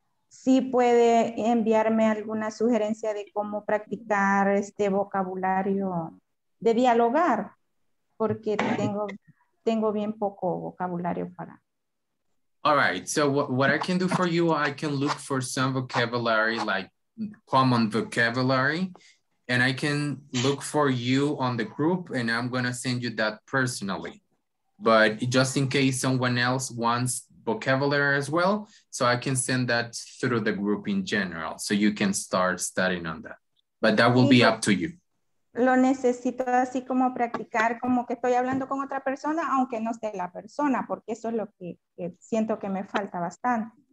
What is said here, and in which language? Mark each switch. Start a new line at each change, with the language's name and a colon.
Spanish: Sí, puede enviarme alguna sugerencia de cómo practicar este vocabulario de dialogar. Porque tengo bien poco vocabulario para.
English: All right, so what I can do for you, I can look for some vocabulary, like common vocabulary, and I can look for you on the group and I'm gonna send you that personally. But just in case someone else wants vocabulary as well, so I can send that through the group in general, so you can start studying on that. But that will be up to you.
Spanish: Lo necesito así como practicar, como que estoy hablando con otra persona, aunque no esté la persona, porque eso es lo que siento que me falta bastante.